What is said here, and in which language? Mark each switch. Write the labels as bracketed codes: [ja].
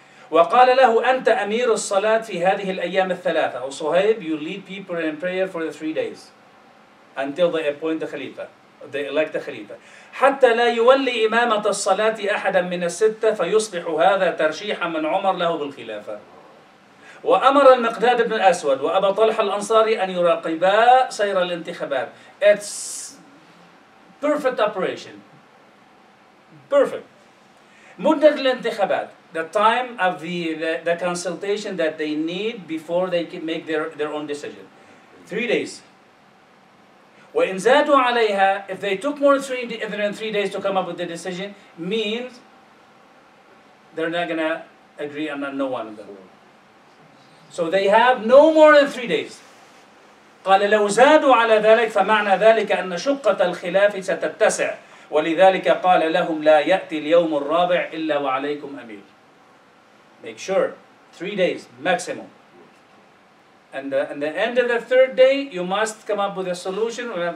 [ar] وقال له أنت أمير الصلاة في هذه الأيام الثلاثة. [en] Oh, Suhaib, you lead people in prayer for the 3 days. Until they appoint the Khalifa. They elect the Khalifa. [ar] حتى لا يولي إمامة الصلاة أحدا من الستة فيصبح هذا ترشيحا من عمر له بالخلافة. وأمر المقداد بن الأسود وأبا طلحة الأنصاري أن يراقبا سير الانتخابات. [en] It's perfect operation. Perfect. [ar] مدة الانتخابات. [en] The time of the consultation that they need before they can make their own decision. 3 days. [ar] وإن زادوا عليها, [en] if they took more than 3 days to come up with the decision, means they're not going to agree on no one of them. So they have no more than 3 days. [ar] قال لو زادوا على ذلك فمعنى ذلك أن شقة الخلاف ستتسع ولذلك قال لهم لا يأتي اليوم الرابع إلا وعليكم أمير. [en] Make sure 3 days maximum. And in the end of the third day, you must come up with a solution.